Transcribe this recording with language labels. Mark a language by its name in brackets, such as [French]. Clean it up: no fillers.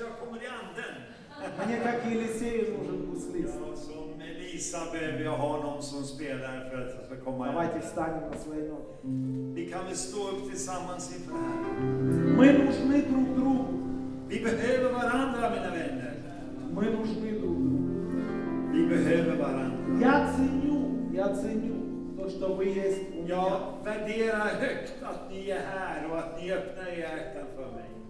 [Russian] Мне как Елисею нужен гуслист. [Swedish] Lisa behöver jag ha någon som spelar för att få komma hem. [Russian] Давайте встанем на свои ноги. [Swedish] Vi kan väl stå upp tillsammans inför Herren. [Russian] Мы нужны друг другу. [Swedish] Vi behöver varandra, mina vänner. [Russian] Мы нужны друг другу. [Swedish] Vi behöver varandra. [Russian] Я ценю то, что вы есть у меня. [Swedish] Jag värderar högt att ni är här och att ni öppnar er hjärtan för mig.